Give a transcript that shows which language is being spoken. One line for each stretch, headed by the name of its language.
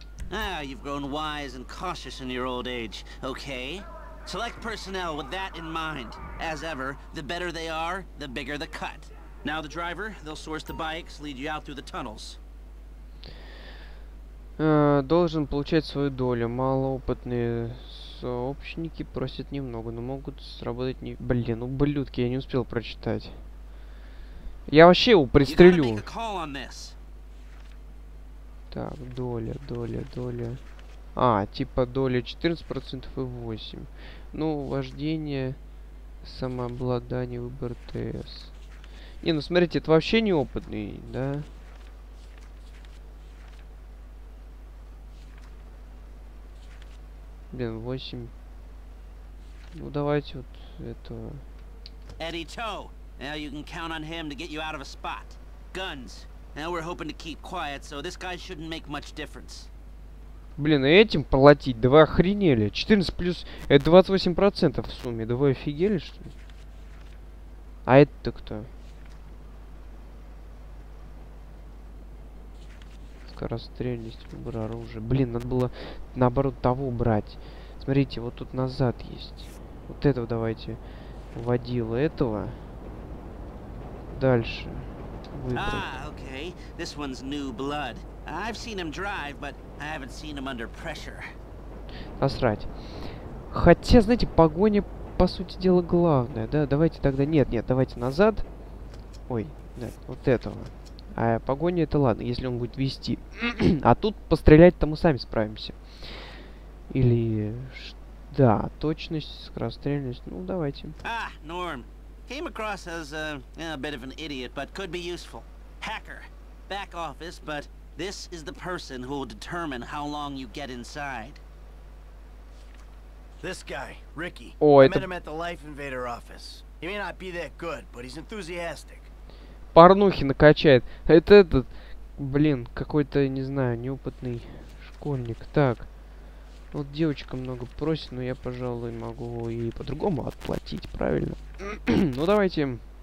English: Ah, you've grown wise and cautious in your old age. Okay. Select personnel with that in mind. As ever, the better they are, the bigger the cut. Now the driver, they'll source the bikes, lead you out through the tunnels.
Russian: Должен получать свою долю. Малоопытные сообщники просят немного, но могут сработать не... Блин, ублюдки, я не успел прочитать. Я вообще его пристрелю. Так, доля, доля, доля. А, типа доля 14% и 8%. Ну, вождение, самообладание, выбор ТС. Не, ну смотрите, это вообще неопытный, да? Блин, 8%. Ну, давайте вот это. Эдди Тоу, теперь вы можете рассчитывать на него, чтобы выйти из места.
English: Now we're hoping to keep quiet, so this guy shouldn't make much difference.
Russian: Блин, а этим платить? Да вы охренели. 14 плюс... Это 28% в сумме. Да вы офигели, что ли? А это-то кто? Скорострельность, выбор оружия. Блин, надо было наоборот того брать. Смотрите, вот тут назад есть. Вот этого давайте. Водила этого. Дальше.
English: Ah, okay. This one's new blood. I've seen him drive, but I haven't seen him under pressure.
Russian: Насрать. Хотя, знаете, погоня, по сути дела, главное, да? Давайте тогда... Нет, нет, давайте назад. Ой, нет, вот этого. А погоня, это ладно, если он будет вести. А тут пострелять-то мы сами справимся. Или... Да, точность, скорострельность. Ну, давайте.
English: Ah, Norm. Came across as a bit of an idiot, but could be useful. Hacker. Back office, but this is the person who will determine how long you get inside. This guy, Ricky. Oh, I
Russian: это...
English: met him at the Life Invader office. He may not be that good, but he's enthusiastic.
Russian: Порнухи накачает. Это этот, блин, какой-то, не знаю, неопытный школьник. Так. Вот девочка много просит, но я, пожалуй, могу и по-другому отплатить, правильно? Ну, давайте.